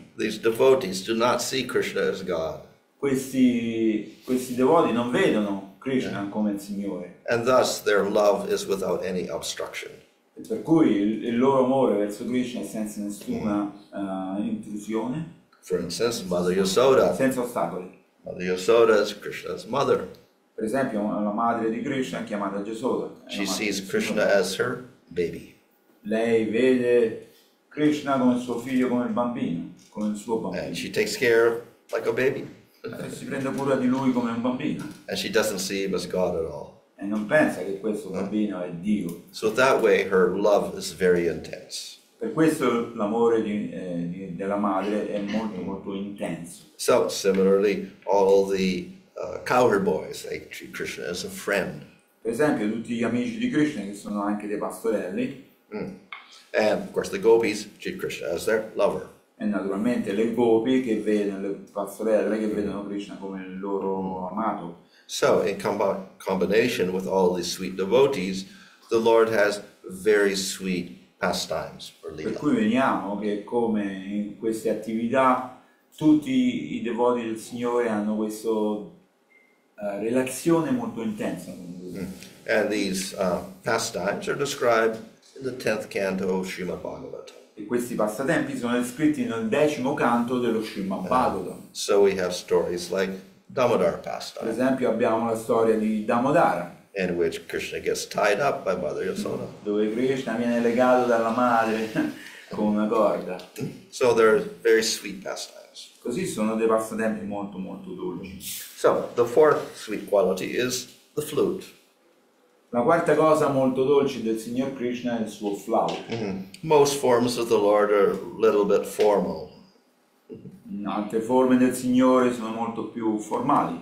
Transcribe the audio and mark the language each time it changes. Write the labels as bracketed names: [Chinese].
[English] These devotees do not see Krishna as God. [Italian] Questi devoti non vedono Krishna come il Signore. [English] And thus their love is without any obstruction. [Italian] E per cui il loro amore verso Krishna è senza nessuna intrusione. [English] For instance, Mother Yasoda. [Italian] Senza ostacoli. [English] Mother Yasoda is Krishna's mother. [Italian] Per esempio, la madre di Krishna chiamata Yasoda. [English] She sees Krishna as her baby. [Italian] lei vede Krishna come suo figlio, come il bambino, come il suo bambino. [English] And she takes care of like a baby. [Italian] Si prende cura di lui come un bambino. [English] And she doesn't see him as God at all. [Italian] E non pensa che questo bambino è Dio. [English] So that way her love is very intense. [Italian] Per questo l'amore della madre è molto molto intenso. [English] So similarly, all the cowherd boys, they treat Krishna as a friend. [Italian] Per esempio, tutti gli amici di Krishna che sono anche dei pastorelli. Mm. [English] And of course, the gopis treat Krishna as their lover. [Italian] E naturalmente le gopi che vedono le pastorelle che vedono Krishna come il loro amato. [English] So in combination with all these sweet devotees, the Lord has very sweet pastimes or lila. [Italian] Per cui veniamo che come in queste attività tutti i devoti del Signore hanno questa relazione molto intensa. [English] And these pastimes are described in the 10th canto of Srimad Bhagavatam. [Italian] E questi passatempi sono descritti nel decimo canto dello Srimad Bhagavatam. [English] So we have stories like Damodar pastime. [Italian] Per esempio abbiamo la storia di Damodara. [English] In which Krishna gets tied up by Mother Yasoda. [Italian] Dove Krishna viene legato dalla madre con una corda. [English] So they're very sweet pastimes. [Italian] Così sono dei passatempi molto molto dolci. [English] So the fourth sweet quality is the flute. [Italian] La quarta cosa molto dolce del Signor Krishna è il suo flauto. Mm-hmm. [English] Most forms of the Lord are a little bit formal. [Italian] Altre forme del Signore sono molto più formali.